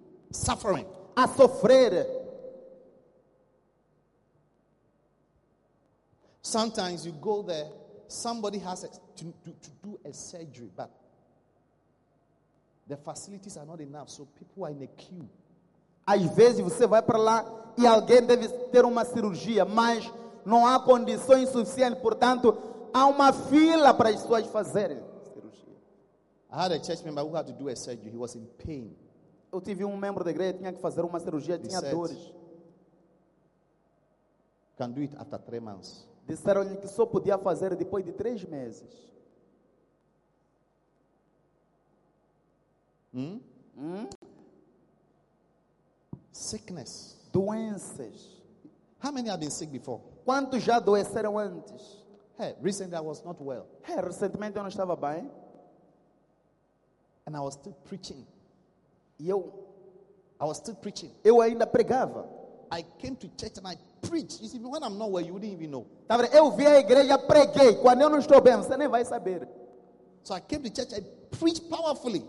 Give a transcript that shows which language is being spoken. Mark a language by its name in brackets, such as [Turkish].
[English] Suffering. [Portuguese] A sofrer. [English] Sometimes you go there, somebody has to do a surgery, but the facilities are not enough, so people are in a queue. [Portuguese] Às vezes você vai para lá e alguém deve ter uma cirurgia, mas não há condições suficientes, portanto, há uma fila para as pessoas fazerem cirurgia. [English] I had a church member who had to do a surgery. He was in pain. [Portuguese] Eu tive membro da igreja que tinha que fazer uma cirurgia, [English] he [Portuguese] tinha [English] said, [Portuguese] dores. [English] Can do it after 3 months. [Portuguese] Disseram-lhe que só podia fazer depois de 3 meses. [English] Sickness. [Portuguese] Doenças. [English] How many have been sick before? [Portuguese] Quantos já adoeceram antes? [English] Hey, recently I was not well. [Portuguese] Hey, recentemente eu não estava bem. [English] And I was still preaching. I was still preaching. [Portuguese] Eu ainda pregava. [English] I came to church and I preached. You see, when I'm not well, you wouldn't even know. [Portuguese] Eu vi a igreja, preguei. Quando eu não estou bem, você nem vai saber. [English] So I came to church and preached powerfully.